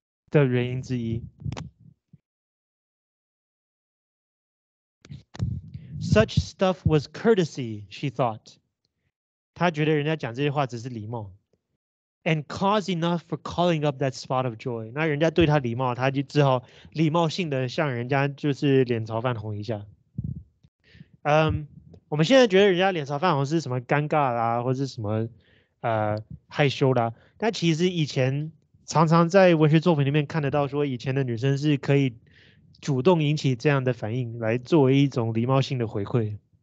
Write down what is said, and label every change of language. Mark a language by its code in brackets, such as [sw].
[zh] 的原因之一。 [en] Such stuff was courtesy, she thought. [zh] 她觉得人家讲这些话只是礼貌。 [en] And cause enough for calling up that spot of joy. [zh] 那人家对她礼貌，她就只好礼貌性的向人家就是脸朝泛红一下。我们现在觉得人家脸朝泛红是什么尴尬啦，或是什么害羞啦。但其实以前常常在文学作品里面看得到，说以前的女生是可以主动引起这样的反应，来作为一种礼貌性的回馈。